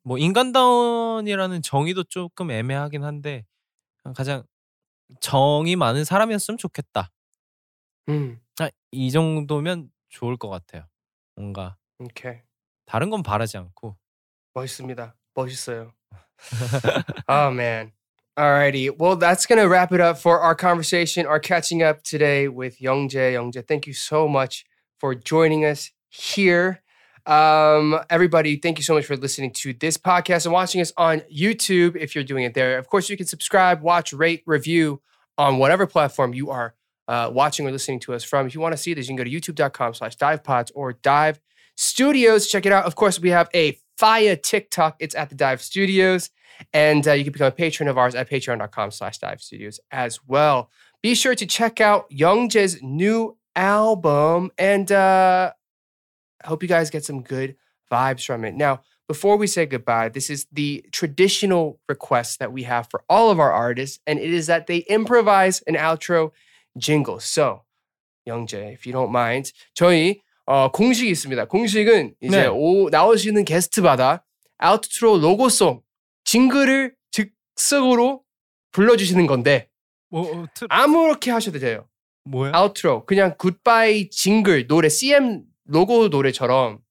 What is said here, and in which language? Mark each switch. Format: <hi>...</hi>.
<ko>뭐 인간다운이라는 정의도 조금 애매하긴 한데 가장 정이 많은 사람이었으면 좋겠다. 이 정도면 좋을 것 같아요. 뭔가 오케이. 다른 건 바라지 않고 멋있습니다. 멋있어요. 아, 맨.</ko> <en>Alrighty. Well, that's going to wrap it up for our conversation, our catching up today with Youngjae. Youngjae, thank you so much for joining us here. Everybody, thank you so much for listening to this podcast and watching us on YouTube if you're doing it there. Of course, you can subscribe, watch, rate, review on whatever platform you are watching or listening to us from. If you want to see this, you can go to youtube.com/divepods or Dive Studios. Check it out. Of course, we have a fire TikTok. It's at the Dive Studios. And you can become a patron of ours at patreon.com/divestudios as well. Be sure to check out Youngjae's new album. And I hope you guys get some good vibes from it. Now, before we say goodbye, this is the traditional request that we have for all of our artists. And it is that they improvise an outro jingle. So, Youngjae, if you don't mind.</en> <ko>저희 공식이 있습니다. 공식은 이제 네. 오, 나오시는 게스트마다 아웃트로 로고송. 징글을 즉석으로 불러주시는 건데 뭐, 아무렇게 하셔도 돼요. 뭐야? 아웃트로 그냥 굿바이 징글 노래 CM 로고 노래처럼</ko>